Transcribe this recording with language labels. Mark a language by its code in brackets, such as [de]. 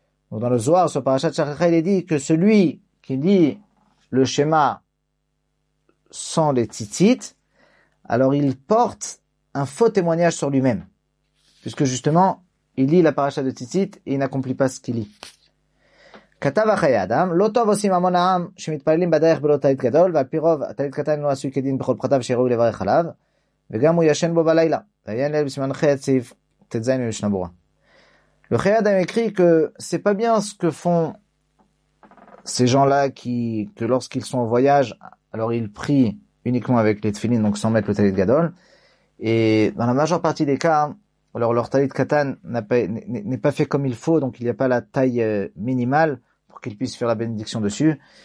[fr] Donc dans le zoar sur parashat shalach lecha, il est dit que celui qui lit le shema sans les tzitzit, alors il porte un faux témoignage sur lui-même, puisque justement il lit la parashat de tzitzit et il n'accomplit pas ce qu'il lit. [he] כתב החיי אדם, לא טוב עושים המון העם שמתפללים בדרך בלא טלית גדול, ועל פי רוב הטלית קטן לא עשוי כדין בכל פחותיו שיראוי לברך עליו, וגם הוא ישן בו בלילה. ויהיה ליל בסימן ח' סעיף ט"ז ממשנה ברורה. וחיי אדם הקריא כ- [fr] c'est pas bien ce que font ces gens-là qui, que lorsqu'ils sont en voyage, alors ils prient uniquement avec les tefillines, donc sans mettre le talit gadol. Et dans la majeure partie des cas, alors leur talit katan n'est pas fait comme il faut, donc il n'y a pas la taille minimale pour qu'ils puissent faire la bénédiction dessus.